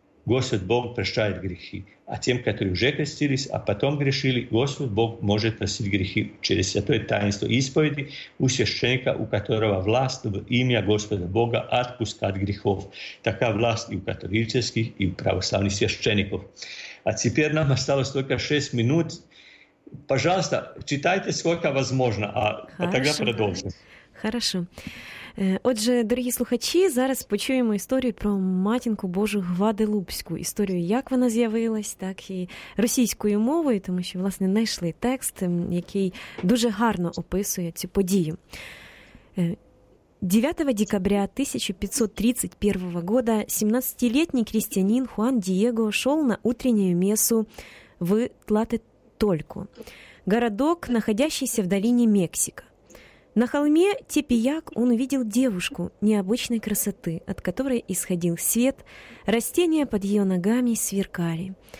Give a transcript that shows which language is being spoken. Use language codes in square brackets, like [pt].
[ru] Господь Бог прощает грехи. А тем, которые уже крестились, а потом грешили, Господь Бог может простить грехи через святое таинство исповеди у священника, у которого власть в имя Господа Бога отпускать грехов. Такая власть и у католических, и у православных священников. А теперь нам осталось только 6 минут. Пожалуйста, читайте сколько возможно, а тогда продолжим. Хорошо. [uk] Отже, дорогі слухачі, зараз почуємо історію про матінку Божу Гваделупську. Історію, як вона з'явилась, так і російською мовою, тому що, власне, знайшли текст, який дуже гарно описує цю подію. [ru] 9 декабря 1531 года 17-летний крестьянин Хуан Диего шел на утреннюю мессу в Тлатетольку, городок, находящийся в долине Мексика. На холме Тепеяк он увидел девушку необычной красоты, от которой исходил свет, растения под ее ногами сверкали.